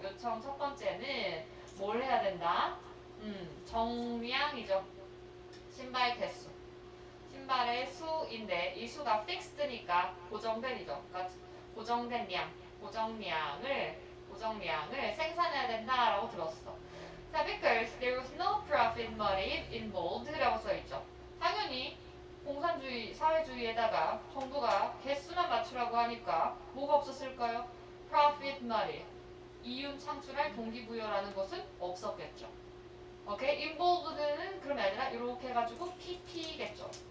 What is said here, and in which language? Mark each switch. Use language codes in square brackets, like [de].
[ko] 요청 첫 번째는 뭘 해야 된다? 정량이죠. 신발 개수. 신발의 수인데 이 수가 fixed니까 고정된이죠. 그러니까 고정된량. 고정량을 생산해야 된다라고 들었어. [en] So because there was no profit motive involved [ko] 라고 써있죠. 당연히 공산주의, 사회주의에다가 정부가 개수만 맞추라고 하니까 뭐가 없었을까요? Profit motive, 이윤 창출할 동기부여라는 것은 없었겠죠. OK, involved는 그럼 얘들아 이렇게 해가지고 PP겠죠.